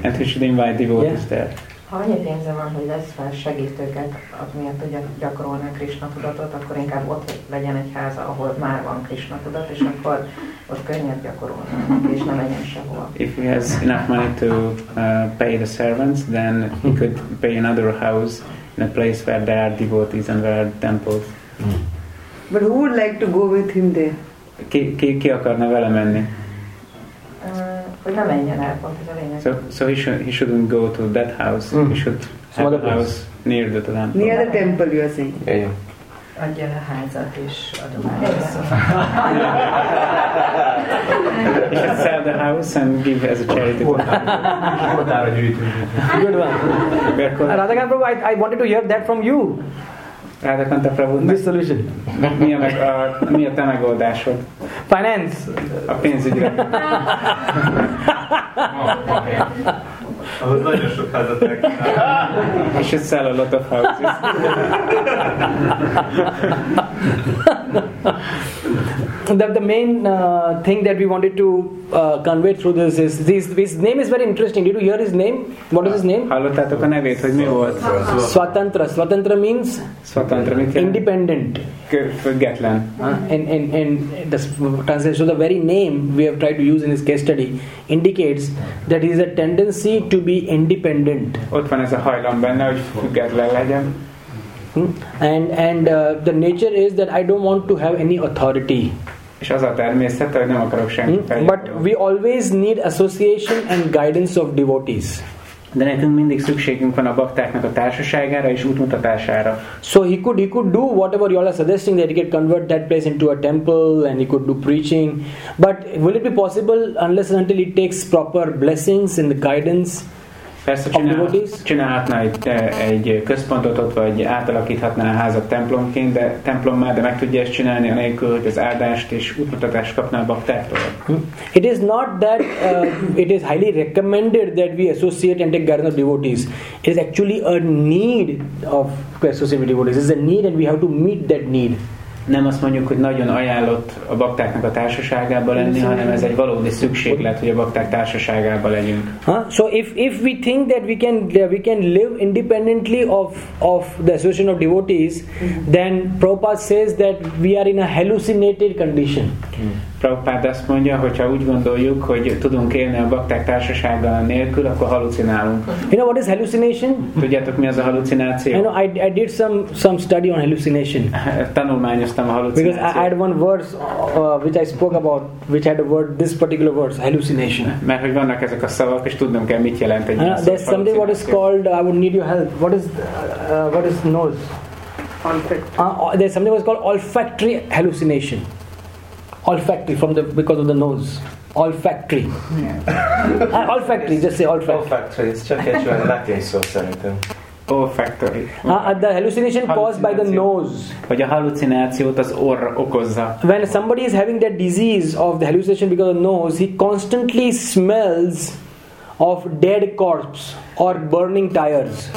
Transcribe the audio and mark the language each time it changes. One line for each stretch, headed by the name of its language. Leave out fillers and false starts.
English: And he should invite devotees yeah. there.
Hungarian: Ha annyi pénze van, hogy lesz fel segítőket, amiért tudja gyakorolni a Krishna tudatot, akkor inkább ott legyen egy ház, ahol már van Krishna tudat, és akkor ott könnyebb gyakorolni, és nem legyen sehol.
English: If he has enough money to pay the servants, then he could pay another house in a place where there are devotees and where are temples. But who would like to go with him there?
Hungarian: Ki akarna vele menni? Hogy ne menjen el, pont ez a lényeg.
English: So he shouldn't go to that house. Mm. He should have a house near the temple. Near the temple, you are saying. Yeah, yeah.
Hungarian: Adja a házat és adományozza.
English: He should sell the house and give as a charity. Good one. Radhika Prabhu, I wanted to hear that from you.
Hungarian: Rádakanta Prabhu,
English: this solution.
Hungarian: Mi a te megoldásod?
English: Finance.
Hungarian: A pénzügyre. Ahhoz nagyon sok házat meg. Should sell a lot of houses.
English: The main thing that we wanted to convey through this is his name is very interesting. Did you hear his name? What is his name?
Hungarian: Hallottátok a nevét, hogy mi volt?
English: Swatantra. Swatantra means Swatantra, independent.
Hungarian: független.
English: In the translation, so the very name we have tried to use in his case study indicates that he has a tendency to be independent.
Hungarian: Ott van ez a hajlam benne, hogy független legyen.
English: And the nature is that I don't want to have any authority.
Hungarian: És az a természet, hogy nem akarok senki felé.
English: But we always need association and guidance of devotees.
Hungarian: De nekünk mindig szükségünk van a baktáknak a társaságára és útmutatására.
English: So he could do whatever you all are suggesting, that he could convert that place into a temple and he could do preaching. But will it be possible unless and until he takes proper blessings and the guidance?
Hungarian: Persze csinálhatná egy központot ott, vagy átalakíthatná a házat templomként, de templommá, de meg tudja ezt csinálni anélkül, hogy az áldást és útmutatást kapná a baktáktól.
English: It is not that it is highly recommended that we associate and take guidance of devotees. It is actually a need of associating devotees. It is a need and we have to meet that need.
Hungarian: Nem azt mondjuk, hogy nagyon ajánlott a baktáknak a társaságába lenni, hanem ez egy valódi szükséglet, hogy a bakták társaságába legyünk.
English: So if we think that we can live independently of the association of devotees, then Prabhupada says that we are in a hallucinated condition.
Hungarian: Prabhupada azt mondja, hogyha úgy gondoljuk, hogy tudunk élni a bakták társasága nélkül, akkor halucinálunk.
English: You know what is hallucination?
Hungarian: Tudjátok, mi az a halucináció?
English: You know, I did some study on hallucination.
Hungarian: Tanulmányoztam a halucinációt.
English: Because I had one verse which I spoke about, which had a word, this particular verse, hallucination.
Hungarian: Mert hogy vannak ezek a szavak, és tudnom kell, mit jelent egy halucináció.
English: There's something what is called, I would need your help. What is nose? Olfactory. There's something what is called olfactory hallucination. Olfactory, because of the nose. Olfactory. Yeah. Olfactory, just say olfactory. Olfactory, it's
Hungarian: csak egy olyan latin szó szerintem.
English: Olfactory. The hallucination caused by the nose.
Hungarian: Vagy a hallucinációt az orr okozza.
English: When somebody is having that disease of the hallucination because of the nose, he constantly smells of dead corpse or burning tires.